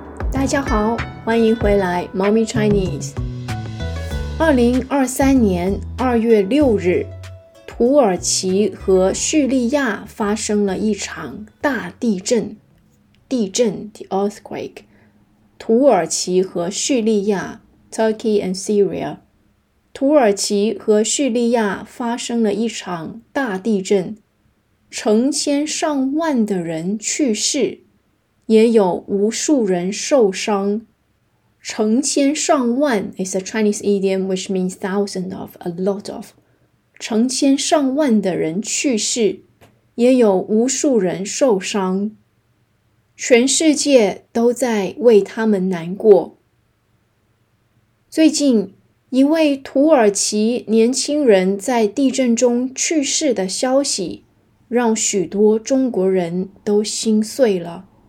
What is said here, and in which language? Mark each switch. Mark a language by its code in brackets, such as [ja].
[zh] 大家好，欢迎回来 Mommy Chinese。2023年2月6日，土耳其和叙利亚发生了一场大地震。地震 [en] The earthquake。 [zh] 土耳其和叙利亚 [en] Turkey and Syria。 [zh] 土耳其和叙利亚发生了一场大地震，成千上万的人去世，也有无数人受伤。 [en] 成千上万 is a Chinese idiom which means thousand of, a lot of. [zh] 成千上万的人去世，也有无数人受伤。全世界都在为他们难过。最近，一位土耳其年轻人在地震中去世的消息，让许多中国人都心碎了。